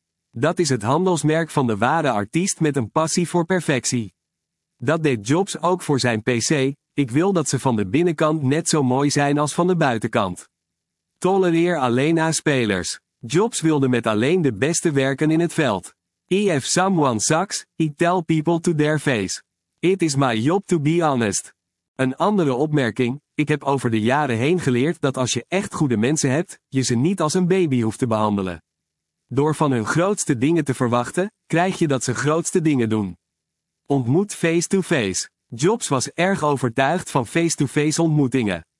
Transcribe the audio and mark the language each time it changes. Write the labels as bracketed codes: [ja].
[nl] Dat is het handelsmerk van de ware artiest met een passie voor perfectie. Dat deed Jobs ook voor zijn PC, ik wil dat ze van de binnenkant net zo mooi zijn als van de buitenkant. Tolereer alleen A-spelers. Jobs wilde met alleen de beste werken in het veld. [en] If someone sucks, I tell people to their face. It is my job to be honest. [nl] Een andere opmerking, ik heb over de jaren heen geleerd dat als je echt goede mensen hebt, je ze niet als een baby hoeft te behandelen. Door van hun grootste dingen te verwachten, krijg je dat ze grootste dingen doen. Ontmoet face-to-face. Jobs was erg overtuigd van face-to-face ontmoetingen.